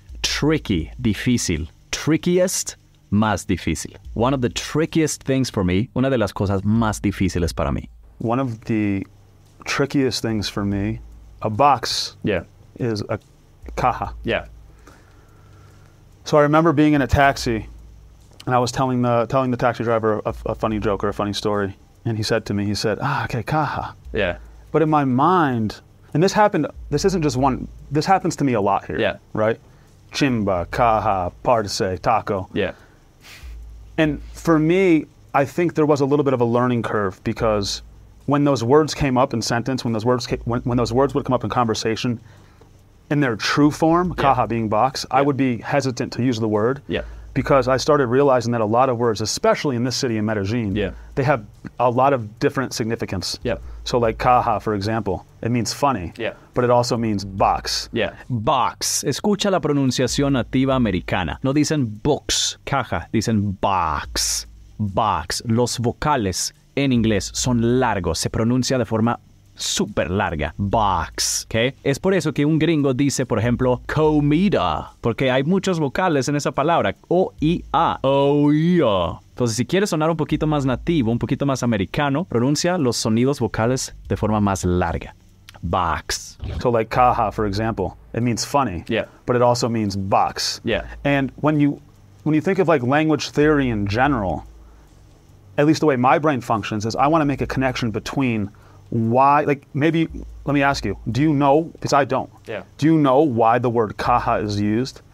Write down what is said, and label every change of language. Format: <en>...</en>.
<es>tricky, difícil, trickiest, más difícil.</es> <en>One of the trickiest things for me,</en> <es>una de las cosas más difíciles para mí.</es> <en>One of the trickiest things for me, a box is a caja. Yeah. So I remember being in a taxi and I was telling the taxi driver a funny joke or a funny story. And he said to me, okay, caja. Yeah. But in my mind, and this happens to me a lot here. Yeah. Right? Chimba, caja, parse, taco. Yeah. And for me, I think there was a little bit of a learning curve, because when those words came up in sentence, when those words would come up in conversation in their true form, caja being box, I would be hesitant to use the word. Yeah. Because I started realizing that a lot of words, especially in this city in Medellin, they have a lot of different significance. Yeah. So like caja, for example, it means funny. Yeah. But it also means box. Yeah. Box.</en> <es>Escucha la pronunciación nativa americana. No dicen box, caja, dicen box. Box. Los vocales en inglés son largos. Se pronuncia de forma super larga.</es> <en>Box.</en> <es>¿Okay? Es por eso que un gringo dice, por ejemplo, comida. Porque hay muchos vocales en esa palabra. O-I-A. O-I-A. Entonces, si quieres sonar un poquito más nativo, un poquito más americano, pronuncia los sonidos vocales de forma más larga.</es> <en>Box. So, like caja, for example, it means funny. Yeah. But it also means box. Yeah. And when you think of like language theory in general, at least the way my brain functions is I want to make a connection between why, like, maybe, let me ask you, do you know, because I don't, do you know why the word caja is used?</en>